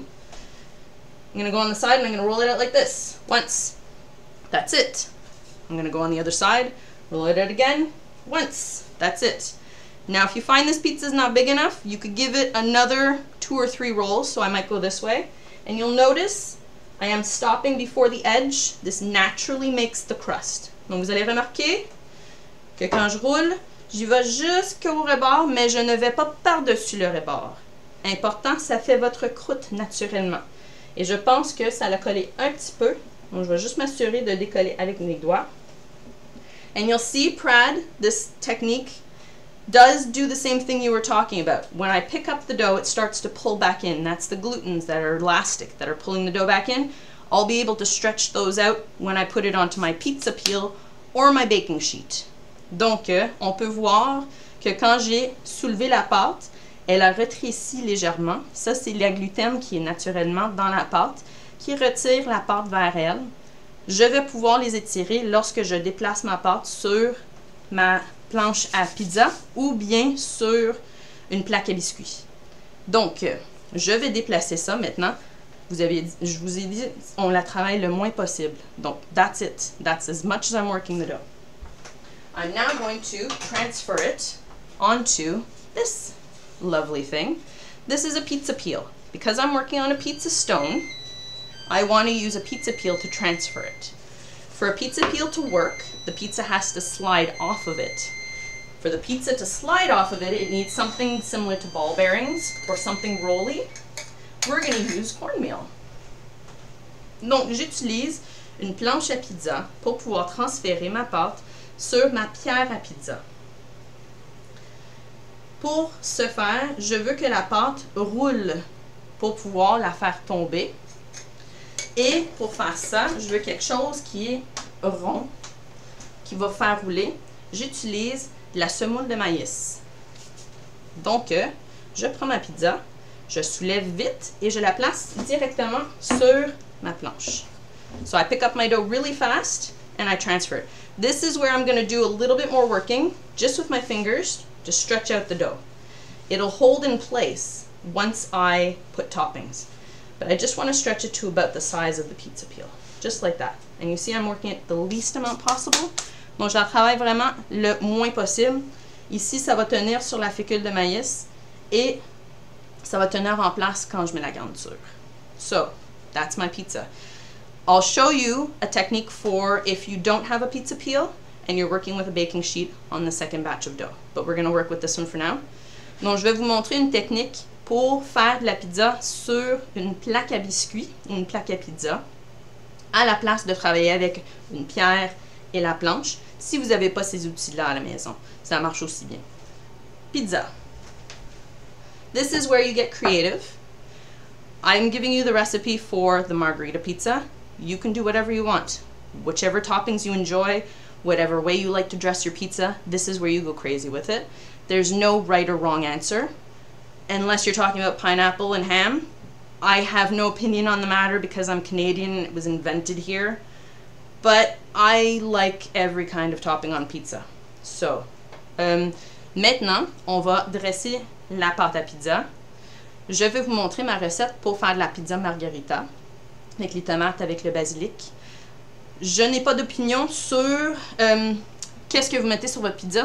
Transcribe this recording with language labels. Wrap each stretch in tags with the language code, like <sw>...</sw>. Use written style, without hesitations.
<en>I'm going to go on the side and I'm going to roll it out like this. Once. That's it. I'm going to go on the other side, roll it out again, once. That's it. Now, if you find this pizza is not big enough, you could give it another two or three rolls, so I might go this way. And you'll notice I am stopping before the edge. This naturally makes the crust.</en> <fr>Donc, vous allez remarquer que quand je roule, j'y vais jusqu'au rebord, mais je ne vais pas par-dessus le rebord. Important, ça fait votre croûte naturellement. Et je pense que ça l'a collé un petit peu. Donc, je vais juste m'assurer de décoller avec mes doigts.</fr> <en>And you'll see, Prad, this technique does do the same thing you were talking about. When I pick up the dough, it starts to pull back in. That's the glutens that are elastic that are pulling the dough back in. I'll be able to stretch those out when I put it onto my pizza peel or my baking sheet.</en> <fr>Donc, on peut voir que quand j'ai soulevé la pâte, elle a rétréci légèrement. Ça, c'est le gluten qui est naturellement dans la pâte, qui retire la pâte vers elle. Je vais pouvoir les étirer lorsque je déplace ma pâte sur ma planche à pizza ou bien sur une plaque à biscuits. Donc, je vais déplacer ça maintenant. Je vous ai dit, on la travaille le moins possible.</fr> <en>Donc, that's it. That's as much as I'm working the dough. I'm now going to transfer it onto this lovely thing. This is a pizza peel. Because I'm working on a pizza stone, I want to use a pizza peel to transfer it. For a pizza peel to work, the pizza has to slide off of it. For the pizza to slide off of it, it needs something similar to ball bearings or something rolly. We're going to use cornmeal.</en> <fr>Donc, j'utilise une planche à pizza pour pouvoir transférer ma pâte sur ma pierre à pizza. Pour ce faire, je veux que la pâte roule pour pouvoir la faire tomber. Et pour faire ça, je veux quelque chose qui est rond, qui va faire rouler. J'utilise de la semoule de maïs. Donc, je prends ma pizza, je soulève vite et je la place directement sur ma planche.</fr> <en>So I pick up my dough really fast and I transfer it. This is where I'm going to do a little bit more working, just with my fingers, to stretch out the dough. It'll hold in place once I put toppings. But I just want to stretch it to about the size of the pizza peel. Just like that. And you see I'm working it the least amount possible.</en> <fr>Donc je la travaille vraiment le moins possible. Ici, ça va tenir sur la fécule de maïs et ça va tenir en place quand je mets la garniture.</fr> <en>So, that's my pizza. I'll show you a technique for if you don't have a pizza peel and you're working with a baking sheet on the second batch of dough. But we're going to work with this one for now.</en> <fr>Donc, je vais vous montrer une technique pour faire de la pizza sur une plaque à biscuits ou une plaque à pizza à la place de travailler avec une pierre et la planche si vous n'avez pas ces outils-là à la maison. Ça marche aussi bien.</fr> <en>Pizza. This is where you get creative. I'm giving you the recipe for the margherita pizza. You can do whatever you want. Whichever toppings you enjoy, whatever way you like to dress your pizza, this is where you go crazy with it. There's no right or wrong answer. Unless you're talking about pineapple and ham, I have no opinion on the matter because I'm Canadian and it was invented here. But I like every kind of topping on pizza.</en> <fr>So, maintenant, on va dresser la pâte à pizza. Je vais vous montrer ma recette pour faire de la pizza margherita avec les tomates, avec le basilic. Je n'ai pas d'opinion sur qu'est-ce que vous mettez sur votre pizza.</fr>